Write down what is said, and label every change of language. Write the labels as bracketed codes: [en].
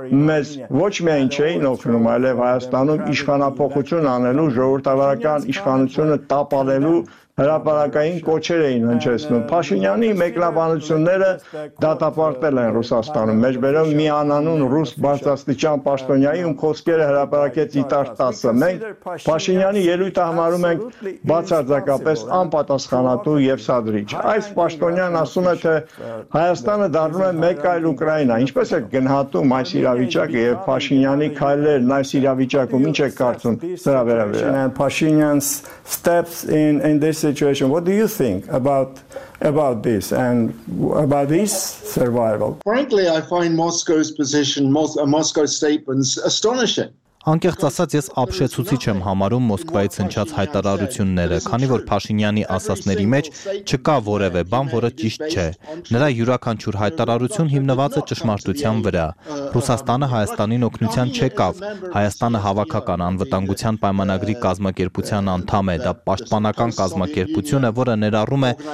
[hy] մեզ ոչ միայն չէին օգնում, այլև Հայաստանում իշխանապողություն անելու ժողովրդավարական իշխանությունը տապալելու հրապարակային կոչեր էին հնչեցնում։ Փաշինյանի մեկնաբանությունները դատապարտել են Ռուսաստանում, մեջբերում մի անանուն ռուս բարձրաստիճան պաշտոնյայի, ում խոսքերը հրապարակեց Իտար 10-ը։ Մենք Փաշինյանի ելույթը համարում ենք բացարձակապես անպատասխանատու և սադրիչ։ Այս պաշտոնյան ասում է, թե Հայաստանը դառնում է մեկ այլ Ուկրաինա։ Ինչպես է գնահատում այս իրավիճակը և Փաշինյանի քայլերն այս իրավիճակում, ինչ եք կարծում սրա վերաբերյալ։ [en] Situation. What do you think about this and about this survival? Frankly, I find Moscow's position, Moscow's statements, astonishing. [hy] Անկեղծ ասած, ես ապշեցուցիչ եմ համարում Մոսկվայից հնչած հայտարարությունները, քանի որ Փաշինյանի ասացների մեջ չկա որևէ բան, որը ճիշտ չէ։ Նրա յուրաքանչյուր հայտարարություն հիմնված է ճշմարտության վրա։ Ռուսաստանը Հայաստանին օգնության չեկավ, Հայաստանը հավաքական անվտանգության պայմանագրի կազմակերպության անդամ է, դա պաշտպանական կազմակերպություն է, որը ներառում է